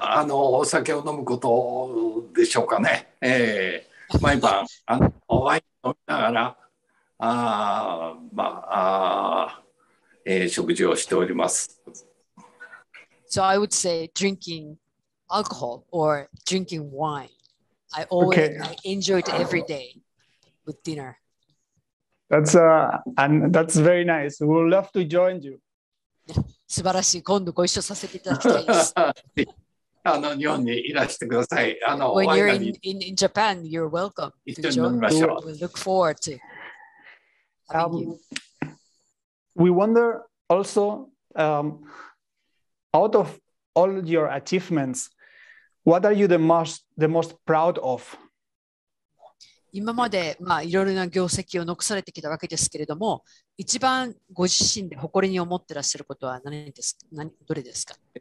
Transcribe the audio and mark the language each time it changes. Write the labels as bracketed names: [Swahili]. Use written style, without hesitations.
[Japanese] お酒を飲むことでしょうかね。毎晩ワイン飲みながら、食事をしております。 [English] So I would say drinking alcohol or drinking wine. I enjoy it every day with dinner. That's very nice. We would love to join you. [Japanese] 素晴らしい。今度ご一緒させていただきたいです。日本にいらしてください。 [English] When you're in Japan, you're welcome. [Japanese] 一緒に飲みましょう。 [English] We look forward to having you. We wonder also, out of all your achievements, what are you the most proud of? [Japanese] 今までいろいろな業績を残されてきたわけですけれども、一番ご自身で誇りに思ってらっしゃることは どれですか？